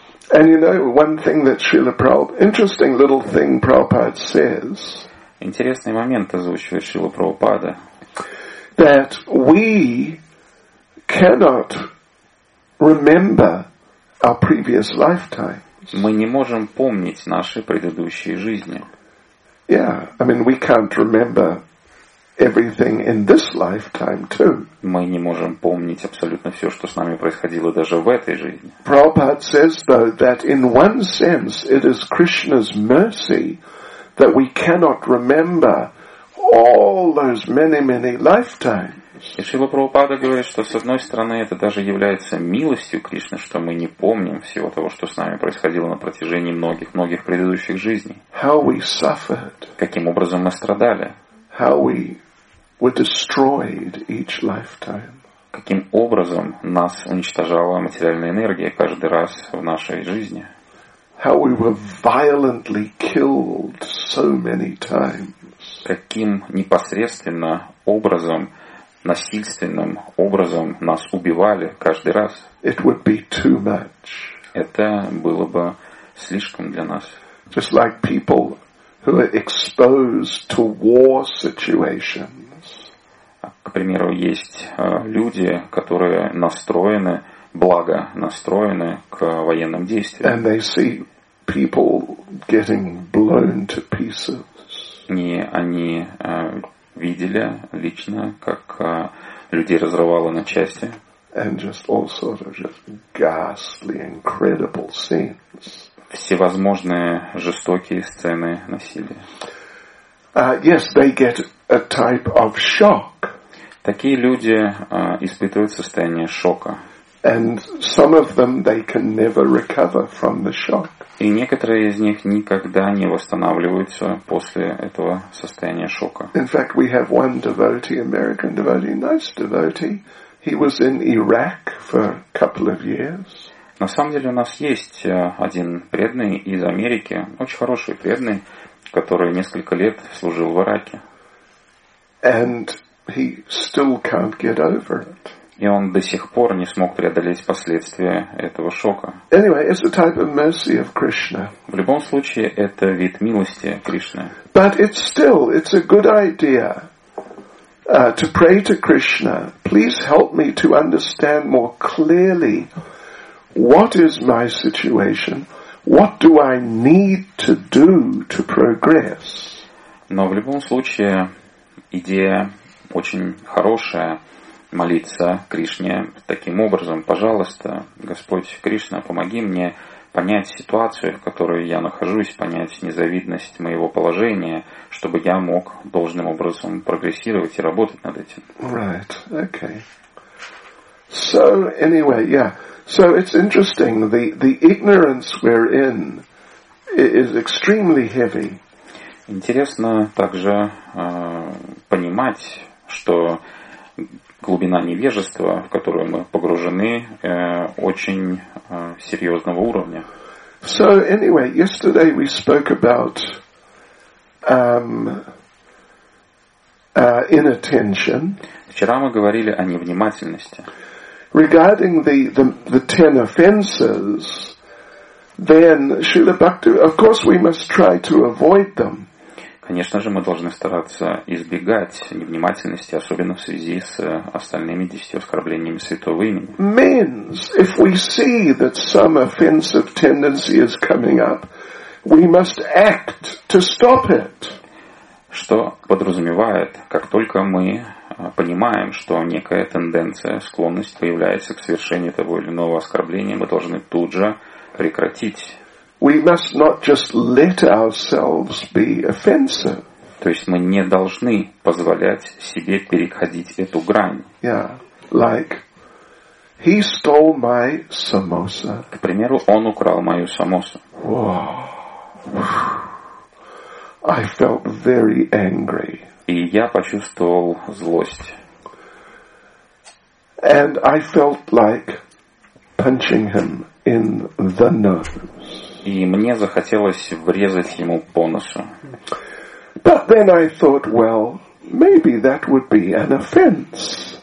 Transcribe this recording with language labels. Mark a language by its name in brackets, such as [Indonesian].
[English] And you know, one thing that Srila Prabhupada, interesting little thing Prabhupada says. [Russian] Интересный момент озвучивает Шрила Прабхупада. [English] That we cannot remember our previous lifetimes. [Russian] Мы не можем помнить наши предыдущие жизни. [English] Yeah, I mean we can't remember everything in this lifetime too. [Russian] Мы не можем помнить абсолютно все, что с нами происходило даже в этой жизни. [English] Prabhupada says though that in one sense it is Krishna's mercy that we cannot remember all those many, many lifetimes. [Russian] И Шрила Прабхупада говорит, что с одной стороны это даже является милостью Кришны, что мы не помним всего того, что с нами происходило на протяжении многих-многих предыдущих жизней. [English] How we suffered. [Russian] Каким образом мы страдали. [English] How we were destroyed each lifetime. [Russian] Каким образом нас уничтожала материальная энергия каждый раз в нашей жизни. [English] How we were violently killed so many times. [Russian] Каким непосредственно образом насильственным образом нас убивали каждый раз. [English] It would be too much. [Russian] Это было бы слишком для нас. [English] Just like people who are exposed to war situations. [Russian] К примеру, есть люди, которые настроены, благо настроены к военным действиям. [English] And they see people getting blown to pieces. [Russian] Видели лично, как людей разрывало на части. [English] And just all sort of just ghastly, incredible scenes. [Russian] всевозможные жестокие сцены насилия. [English] Yes, they get a type of shock. [Russian] Такие люди испытывают состояние шока. [English] And some of them they can never recover from the shock. [Russian] И некоторые из них никогда не восстанавливаются после этого состояния шока. [English] In fact, we have one devotee, American devotee, nice devotee. He was in Iraq for a couple of years. [Russian] На самом деле у нас есть один преданный из Америки, очень хороший преданный, который несколько лет служил в Ираке. [English] And he still can't get over it. [Russian] И он до сих пор не смог преодолеть последствия этого шока. [English] Anyway, it's a type of mercy of Krishna. [Russian] В любом случае, это вид милости Кришны. [English] But it's a good idea to pray to Krishna. Please help me to understand more clearly what is my situation. What do I need to do to progress? [Russian] Но в любом случае, идея очень хорошая. Молиться Кришне таким образом: пожалуйста, Господь Кришна, помоги мне понять ситуацию, в которой я нахожусь, понять незавидность моего положения, чтобы я мог должным образом прогрессировать и работать над этим. [English] Right, okay. So, anyway, yeah. So, it's interesting, the ignorance we're in is extremely heavy. [Russian] Интересно также понимать, что глубина невежества, в которую мы погружены, очень серьезного уровня. [English] So anyway, yesterday we spoke about inattention. [Russian] Вчера мы говорили о невнимательности. [English] Regarding the 10 offenses, then Srila Bhakti, of course, we must try to avoid them. [Russian] Конечно же, мы должны стараться избегать невнимательности, особенно в связи с остальными 10 оскорблениями святого имени. [English] Means, if we see that some offensive tendency is coming up, we must act to stop it. [Russian] Что подразумевает, как только мы понимаем, что некая тенденция, склонность появляется к совершению того или иного оскорбления, мы должны тут же прекратить. [English] We must not just let ourselves be offensive. [Russian] То есть мы не должны позволять себе переходить эту грань. [English] Yeah, like he stole my samosa. [Russian] К примеру, он украл мою самосу. [English] I felt very angry. [Russian] И я почувствовал злость. [English] And I felt like punching him in the nose. [Russian] И мне захотелось врезать ему по носу. [English] But then I thought, well, maybe that would be an offense.